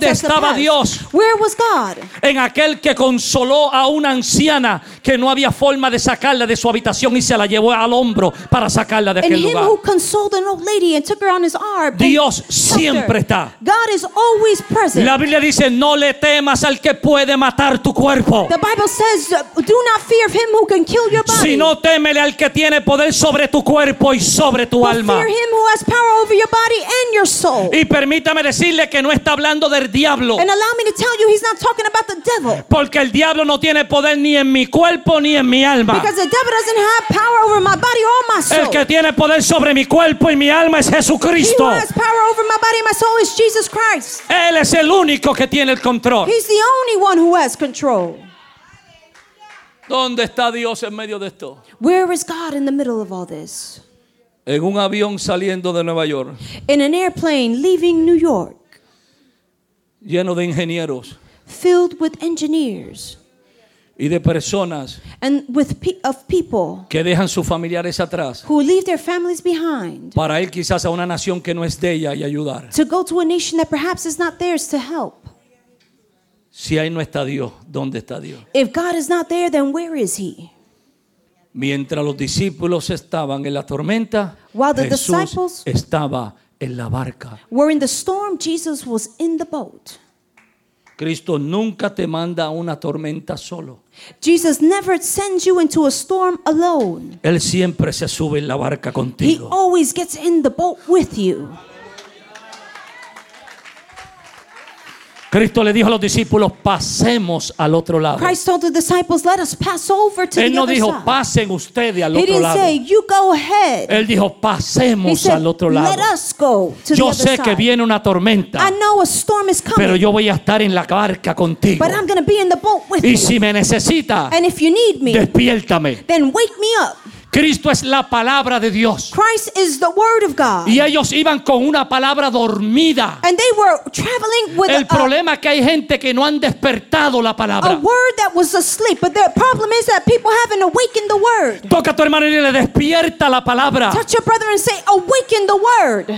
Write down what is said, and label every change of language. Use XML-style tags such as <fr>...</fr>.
<es>¿Dónde estaba Dios?</es> <en>Where was God?</en> <es>En aquel que consoló a una anciana que no había forma de sacarla de su habitación y se la llevó al hombro para sacarla de aquel lugar.</es> <en>And him who consoled an old lady and took her on his arm.</en> <es>Dios siempre está.</es> <en>God is always present.</en> <es>La Biblia dice, no le temas al que puede matar tu cuerpo.</es> <en>The Bible says, do not fear him who can kill your body.</en> <es>Sino témele al que tiene poder sobre tu cuerpo y sobre tu alma.</es> <en>But fear him who has power over your body and your soul.</en> <es>Y permítame decirle que no está hablando del diablo.</es> <en>And allow me to tell you he's not talking about the devil.</en> <es>Porque el diablo no tiene poder ni en mi cuerpo ni en mi alma.</es> <en>Because the devil doesn't have power over my body or my soul.</en> <es>El que tiene poder sobre mi cuerpo y mi alma es Jesucristo.</es> <en>He who has power over my body and my soul is Jesus Christ.</en> <es>Él es el único que tiene el control.</es> <en>He's the only one who has control.</en> <es>¿Dónde está Dios en medio de esto?</es> <en>Where is God in the middle of all this?</en> <es>En un avión saliendo de Nueva York.</es> <en>In an airplane leaving New York.</en> <es>Lleno de ingenieros.</es> <en>Filled with engineers.</en> <es>Y de personas.</es> <en>And with of people.</en> <es>Que dejan sus familiares atrás.</es> <en>Who leave their families behind.</en> <es>Para ir quizás a una nación que no es de ella y ayudar.</es> <en>To go to a nation that perhaps is not theirs to help.</en> <es>Si ahí no está Dios, ¿dónde está Dios?</es> <en>If God is not there, then where is he?</en> <es>Mientras los discípulos estaban en la tormenta, Jesús estaba en la barca.</es> <en>Were in the storm, Jesus was in the boat.</en> <es>Cristo nunca te manda a una tormenta solo.</es> <en>Jesus never sends you into a storm alone.</en> <es>Él siempre se sube en la barca contigo.</es> <en>He always gets in the boat with you.</en> <es>Cristo le dijo a los discípulos, pasemos al otro lado.</es> <en>Christ told the disciples, let us pass over to the other</en> <es>side. Él no dijo, pasen ustedes al otro lado.</es> <en>He didn't say, you go ahead.</en> <es>Él dijo, pasemos al otro lado.</es> <en>Let us go to the other side.</en> <es>Yo sé que viene una tormenta.</es> <en>I know a storm is coming.</en> <es>Pero yo voy a estar en la barca contigo.</es> <en>But I'm going to be in the boat with you.</en> <es>Y si me necesita,</es> <en>and if you need me,</en> <es>despiértame.</es> <en>Then wake me up.</en> <es>Cristo es la palabra de Dios.</es> <en>Christ is the word of God.</en> <es>Y ellos iban con una palabra dormida.</es> <en>And they were traveling with</en> <es>el problema es que hay gente que no han despertado la palabra.</es> <en>A word that was asleep, but the problem is that people haven't awakened the word.</en> <es>Toca a tu hermano y le despierta la palabra.</es> <en>Touch your brother and say, awaken the word.</en>